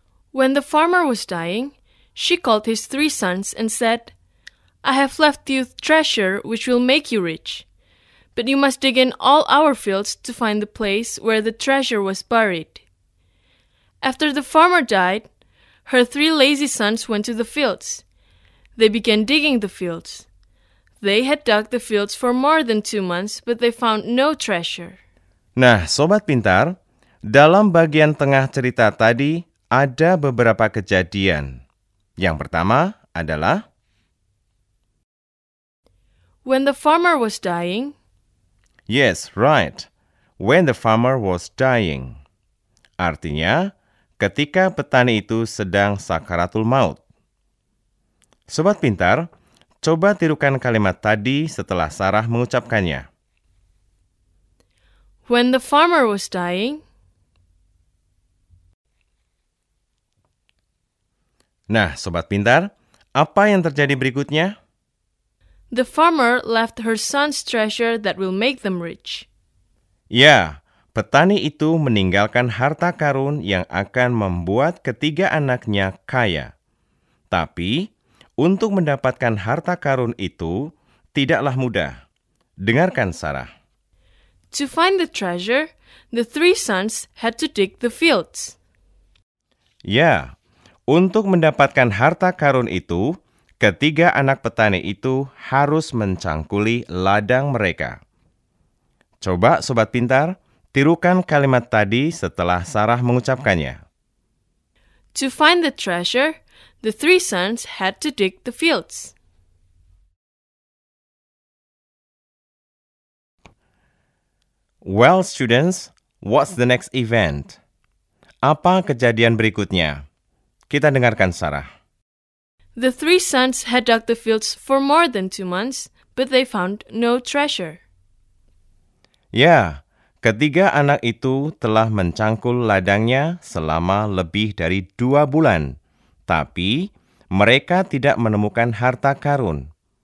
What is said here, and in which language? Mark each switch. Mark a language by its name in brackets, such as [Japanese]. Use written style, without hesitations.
[English] When the farmer was dying, she called his 3 sons and said, I have left you treasure which will make you rich, but you must dig in all our fields to find the place where the treasure was buried. After the farmer died, her 3 lazy sons went to the fields. They began digging the fields. They had dug the fields for more than 2 months, but they found no treasure. [Indonesian] Nah, Sobat Pintar, dalam bagian tengah cerita tadi, ada beberapa kejadian. Yang pertama adalah... [English] When the farmer was dying. Yes, right. When the farmer was dying. [Indonesian] Artinya, ketika petani itu sedang sakaratul maut. Sobat Pintar, coba tirukan kalimat tadi setelah Sarah mengucapkannya. [English] When the farmer was dying. [Indonesian] Nah, Sobat Pintar, apa yang terjadi berikutnya? [English] The farmer left her son's treasure that will make them rich. [Indonesian] Ya, petani itu meninggalkan harta karun yang akan membuat ketiga anaknya kaya. Tapi, untuk mendapatkan harta karun itu tidaklah mudah. Dengarkan, Sarah. [English] To find the treasure, the 3 sons had to dig the fields. [Indonesian] Ya, untuk mendapatkan harta karun itu, ketiga anak petani itu harus mencangkuli ladang mereka. Coba, Sobat Pintar, tirukan kalimat tadi setelah Sarah mengucapkannya. [English] To find the treasure, The three sons had to dig the fields. Well, students, what's the next event? [Indonesian] Apa kejadian berikutnya? Kita dengarkan Sarah. [English] The three sons had dug the fields for more than 2 months, but they found no treasure. [Indonesian] Ya, ketiga anak itu telah mencangkul ladangnya selama lebih dari 2 bulan, tapi mereka tidak menemukan harta karun.